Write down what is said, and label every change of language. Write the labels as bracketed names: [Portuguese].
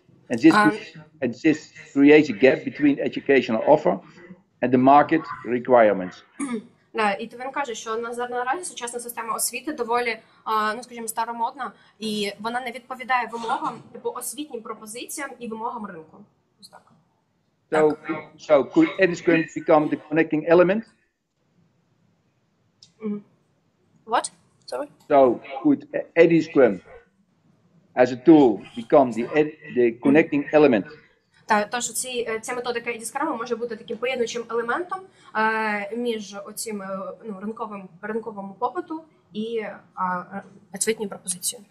[English] And this creates a gap between educational offer and the market requirements. [Ukrainian] І то він каже, що наразі сучасна система освіти доволі, скажімо, старомодна, і вона не відповідає вимогам, типу освітнім пропозиціям і вимогам ринку. [English] So could EdSquint become the connecting element? What? Sorry? So could EdSquint as a tool become the connecting element? [Ukrainian] Тож ця методика EdScrum може бути таким поєднуючим елементом між оцим ринковим попиту і освітньою пропозицією.